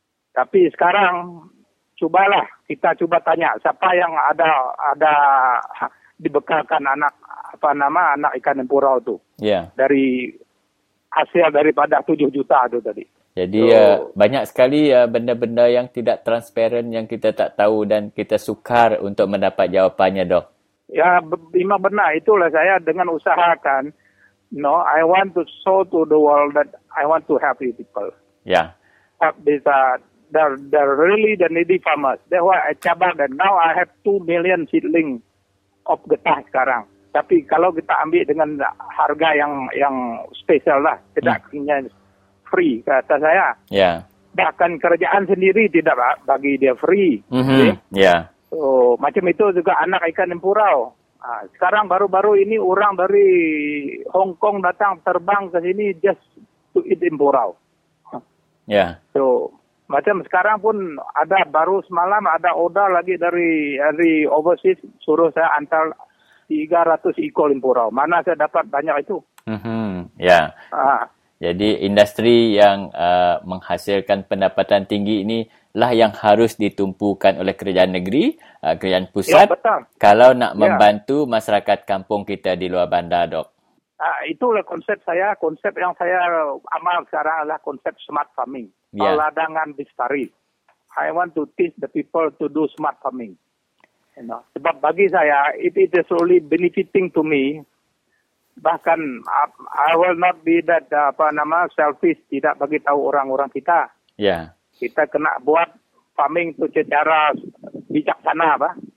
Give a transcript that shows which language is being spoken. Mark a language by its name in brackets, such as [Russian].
[Malay] Tapi sekarang cubalah kita cuba tanya siapa yang ada dibekalkan anak ikan empurau itu. [English] Yeah. [Malay] Dari hasil daripada 7 juta itu tadi. Jadi so, banyak sekali benda-benda yang tidak transparan yang kita tak tahu dan kita sukar untuk mendapat jawapannya, Dok. Ya, memang benar. Itulah saya dengan usahakan [English] No, I want to show to the world that I want to help you people. Yeah. But these are they're really the needy farmers. That's why I cabar that now I have 2 million seedling of [Malay] getah sekarang. Tapi kalau kita ambil dengan harga yang spesial lah, tidak punya free kata saya. [English] Yeah. [Malay] Bahkan kerajaan sendiri tidak bagi dia free. Mm-hmm. Ya. [English] Yeah. So, [Malay] macam itu juga anak ikan empurau. Sekarang baru-baru ini orang dari Hong Kong datang terbang ke sini [English] just to eat [Malay] empurau. Ya. [English] Yeah. So, [Malay] macam sekarang pun ada baru semalam ada order lagi dari overseas suruh saya antar 300 ekor empurau. Mana saya dapat banyak itu? Mm-hmm. Ya. Yeah. Jadi industri yang menghasilkan pendapatan tinggi ini lah yang harus ditumpukan oleh kerajaan negeri, kerajaan pusat. Ya, kalau nak membantu ya. Masyarakat kampung kita di luar bandar, Dok. Itulah konsep saya. Konsep yang saya amal sekarang adalah konsep smart farming. Ya. Peladangan bestari. [English] I want to teach the people to do smart farming. You know? [Malay] Sebab bagi saya, [English] it is really benefiting to me. [Malay] Bahkan [English] I will not be that selfish [Malay] tidak bagi tahu orang-orang kita. Ya. Kita kena buat farming itu secara bijaksana, Pak.